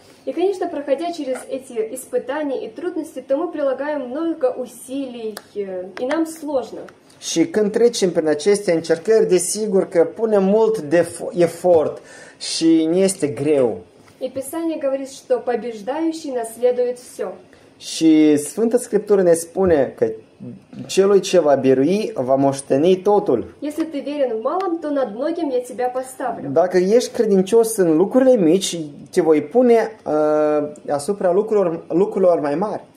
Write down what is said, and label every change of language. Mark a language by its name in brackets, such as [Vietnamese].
[Russian] И, конечно, проходя через эти испытания и трудности, то мы прилагаем много усилий, и нам сложно. [Romanian] Și când trecem prin aceste încercări, desigur că punem mult de efort și ne este greu. [Russian] И Писание говорит, что побеждающий наследует все. [Romanian] Și Sfânta Scriptură ne spune că celui ce va birui, va moșteni totul. [Russian] Если ты верен в малом, то над многим я тебя поставлю. [Romanian] Dacă ești credincios în lucrurile mici, te voi pune asupra lucrurilor mai mari.